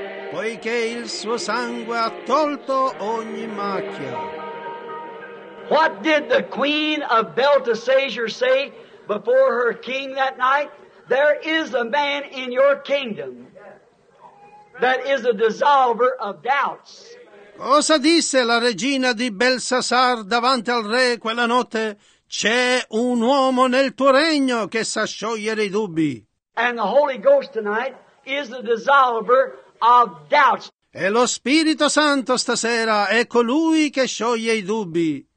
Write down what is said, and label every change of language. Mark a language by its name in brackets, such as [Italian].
[Italian] Poiché il suo sangue ha tolto ogni macchia. [English] What did the queen of Belteshazzar say before her king that night? There is a man in your kingdom that is a dissolver of doubts. [Italian] Cosa disse la regina di Belsasar davanti al re quella notte? C'è un uomo nel tuo regno che sa sciogliere i dubbi. [English] And the Holy Ghost tonight is the dissolver of doubts. [Italian] E lo Spirito Santo stasera è colui che scioglie i dubbi.